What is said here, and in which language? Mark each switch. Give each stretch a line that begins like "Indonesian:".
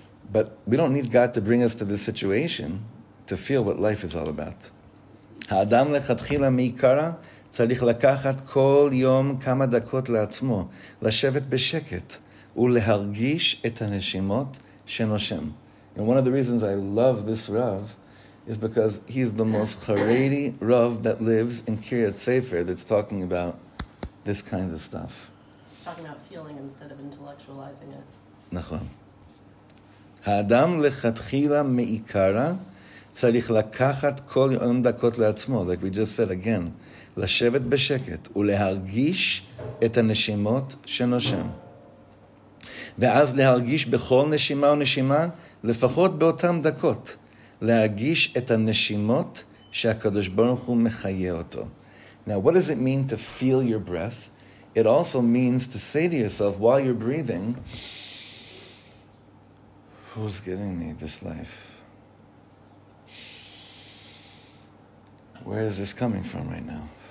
English: But we don't need God to bring us to this situation to feel what life is all about.
Hebrew: Haadam lechatchila meikara. צריך לקחת כל יום כמה דקות לעצמו, לשבת בשקט, ולהרגיש את הנשימות שנושם.
English: And one of the reasons I love this Rav is because he's the most Haredi Rav that lives in Kiryat Sefer that's talking about this kind of stuff. He's talking about feeling instead of intellectualizing it.
Hebrew: נכון. האדם לכתחילה מעיקרה צריך לקחת כל יום דקות לעצמו.
English: Like we just said again,
Hebrew: לשבת בשקט ולהרגיש את הנשימות שנושם. ואז להרגיש בכל נשימה ונשימה, לפחות באותם דקות, להרגיש את הנשימות שהקדוש ברוך הוא מחיה אותו.
English: Now, what does it mean to feel your breath? It also means to say to yourself, while you're breathing, who's giving me this life? Where is this coming from right now?